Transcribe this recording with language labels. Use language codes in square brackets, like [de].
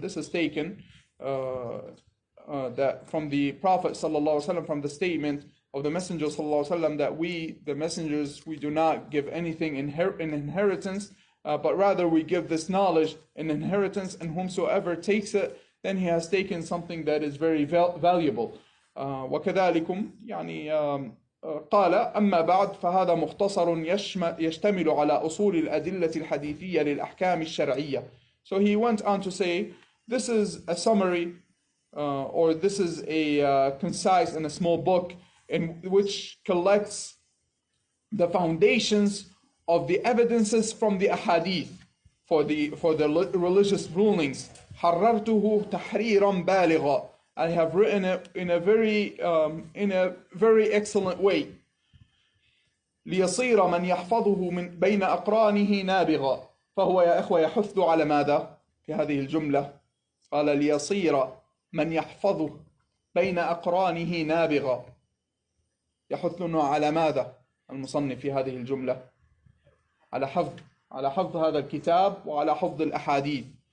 [en] This is taken that from the Prophet صلى الله عليه وسلم, from the statement of the Messenger صلى الله عليه وسلم, that we the messengers, we do not give anything in inheritance, but rather we give this knowledge in inheritance, and whomsoever takes it, then he has taken something that is very valuable. [ar] وكذلكم يعني قال أما بعد فهذا مختصر يشتمل على أصول الأدلة الحديثية للأحكام الشرعية. [en] So he went on to say, this is a summary, or this is a concise and a small book in which collects the foundations of the evidences from the ahadith for the religious rulings. [ar] حررته تحريرا بالغا. [en] I have written it in a very excellent way. [ar] ليصير من يحفظه من بين أقرانه نابغا. فهو يا إخوة يحث على ماذا في هذه الجملة؟ قال ليصير من يحفظه بين أقرانه نابغا. يحثنا على ماذا المصنف في هذه الجملة؟ على حفظ هذا الكتاب وعلى حفظ الأحاديث.